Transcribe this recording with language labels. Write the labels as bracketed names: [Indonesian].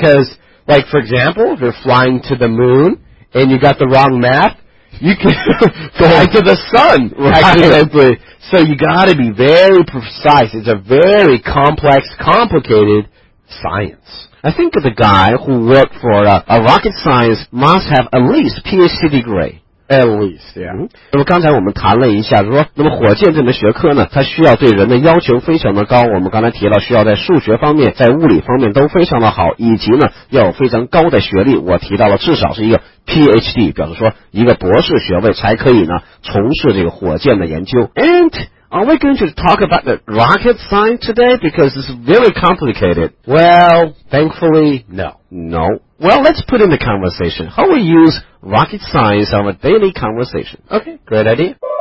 [English] Because, like, for example, if you're flying to the moon and you got the wrong math,You can fly to the sun, right. So you got to be very precise. It's a very complicated science. I think the guy who worked for a rocket science must have at least PhD degree. At least, yeah. [Chinese] 那么刚才我们谈了一下说那么火箭这门学科呢它需要对人的要求非常的高我们刚才提到需要在数学方面在物理方面都非常的好以及呢要有非常高的学历我提到了至少是一个 PhD 表示说一个博士学位才可以呢从事这个火箭的研究 [English] And are we going to talk about the rocket science today? Because it's very complicated. Well, thankfully, no. No. Well, let's put in the conversation. How we useRocket science on a daily conversation. Okay, great idea.